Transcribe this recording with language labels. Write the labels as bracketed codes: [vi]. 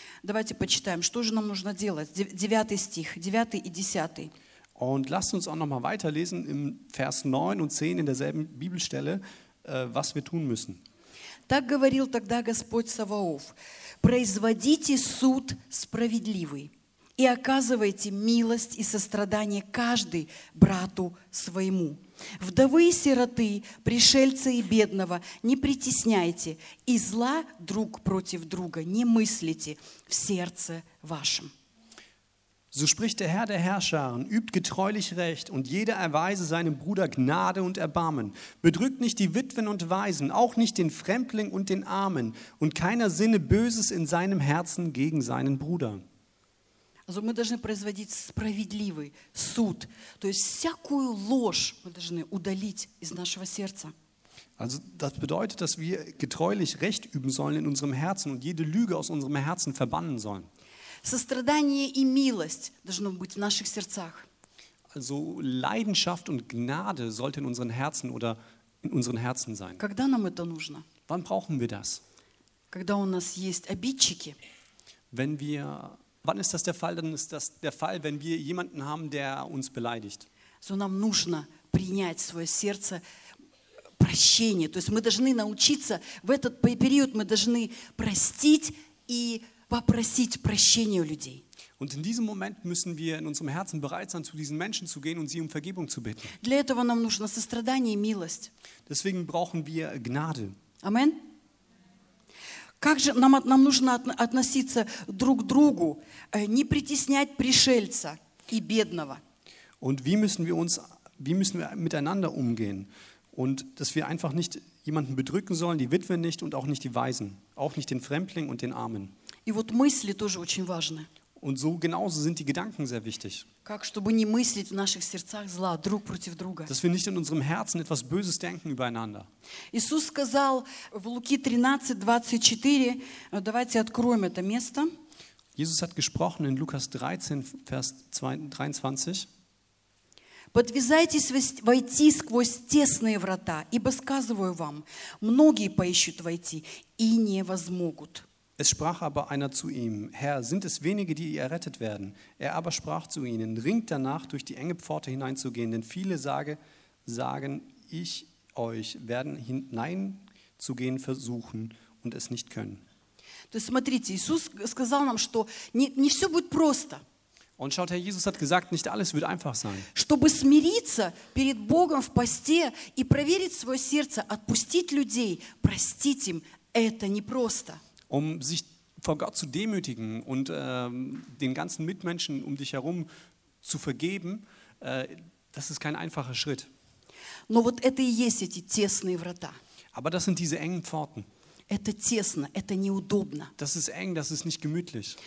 [ru] Давайте почитаем, что же нам нужно делать. 9 стих, 9 и 10. [de] Und lasst uns auch noch mal weiterlesen im Vers 9 und 10 in derselben Bibelstelle, was wir tun müssen. [ru] Так говорил тогда Господь Саваоф: «Производите суд справедливый». И оказывайте милость и сострадание каждый брату своему. Вдовы и сироты, пришельца и бедного не притесняйте, и зла друг против друга не мыслите в сердце вашем. [de] So spricht der Herr der Herrscharen, übt getreulich Recht und jeder erweise seinem Bruder Gnade und Erbarmen. Bedrückt nicht die Witwen und Waisen, auch nicht den Fremdling und den Armen und keiner sinne Böses in seinem Herzen gegen seinen Bruder. Also [ru] мы должны производить справедливый суд, то есть всякую ложь мы должны удалить из нашего сердца. [de] Also das bedeutet, dass wir getreulich Recht üben sollen in unserem Herzen und jede Lüge aus unserem Herzen verbannen sollen. [ru] Сострадание и милость должно быть в наших сердцах. [de] Also Leidenschaft und Gnade sollte in unseren Herzen oder in unseren Herzen sein. [ru] Когда нам это нужно? [de] Wann brauchen wir das? [ru] Когда у нас есть обидчики? [de] Wenn wir Wann ist das der Fall? Dann ist das der Fall, wenn wir jemanden haben, der uns beleidigt. So, [ru] нам нужно принять свое сердце прощение. То есть мы должны научиться в этот период мы должны простить и попросить прощения у людей. [de] Und in diesem Moment müssen wir in unserem Herzen bereit sein, zu diesen Menschen zu gehen und sie um Vergebung zu bitten. [ru] Для этого нам нужно сострадание и милость. [de] Deswegen brauchen wir Gnade. Amen. [ru] Как же нам нужно относиться друг к другу, не притеснять пришельца и бедного? [de] Und wie müssen wir miteinander umgehen? Und dass wir einfach nicht jemanden bedrücken sollen, die Witwen nicht und auch nicht die Waisen, auch nicht den Fremdling und den Armen. [ru] И вот мысли тоже очень важны. [de] Und so genauso sind die Gedanken sehr wichtig. [ru] Как, чтобы не мыслить в наших сердцах зла друг против друга. [de] Dass wir nicht in unserem Herzen etwas Böses denken übereinander. [ru] Иисус сказал в Луки 13, 24, давайте откроем это место. [de] Jesus hat gesprochen in Lukas 13, Vers 23. [ru] Подвязайтесь войти сквозь тесные врата, ибо сказываю вам, многие поищут войти и не возмогут. [de] Es sprach aber einer zu ihm, Herr, sind es wenige, die errettet werden? Er aber sprach zu ihnen, ringt danach, durch die enge Pforte hineinzugehen, denn viele sagen ich euch, werden hineinzugehen versuchen und es nicht können. [ru] То есть смотрите, Иисус сказал нам, что не все будет просто. [de] Und schaut, Herr Jesus hat gesagt, nicht alles wird einfach sein. [ru] Чтобы смириться перед Богом в посте и проверить свое сердце, отпустить людей, простить им, это непросто. [de] Um sich vor Gott zu demütigen und den ganzen Mitmenschen um dich herum zu vergeben, das ist kein einfacher Schritt. [ru] Но вот это и есть эти тесные врата. [de] Aber das sind diese engen Pforten. [ru] Это тесно, это неудобно. [de] Das ist eng, das ist nicht gemütlich.